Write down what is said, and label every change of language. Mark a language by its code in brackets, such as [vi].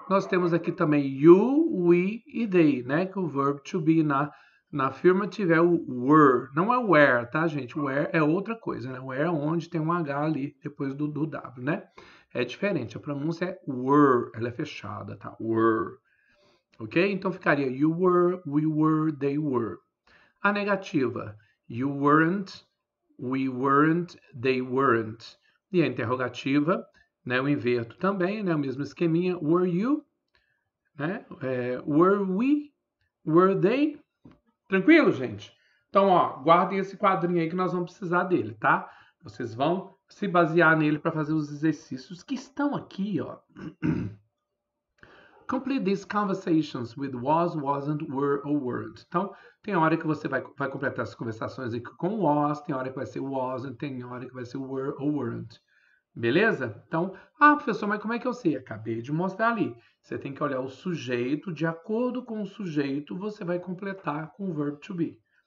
[pt] Nós temos aqui também you, we e they, né? Que o verbo to be na affirmative é [en] o were, não é o where, [pt] tá, gente? O where é outra coisa, né? O where é onde tem um H ali depois do W, né? É diferente, a pronúncia é were, ela é fechada, tá? Were. Ok? Então ficaria [en] you were, we were, they were. A negativa, you weren't, we weren't, they weren't. [pt] E a interrogativa, né? Eu inverto também, né? O mesmo esqueminha, [en] were you, [pt] né? [en] Were we, were they? [pt] Tranquilo, gente? Então, ó, guardem esse quadrinho aí que nós vamos precisar dele, tá? Vocês vão se basear nele para fazer os exercícios que estão aqui, ó. [en] Complete these conversations with was, wasn't, were or weren't. [pt] Então, tem hora que você vai completar as conversações aqui com was, tem hora que vai ser wasn't, tem hora que vai ser were ou weren't. Beleza? Então, ah, professor, mas como é que eu sei? Acabei de mostrar ali. Você tem que olhar o sujeito, de acordo com o sujeito, você vai completar com o verbo to be.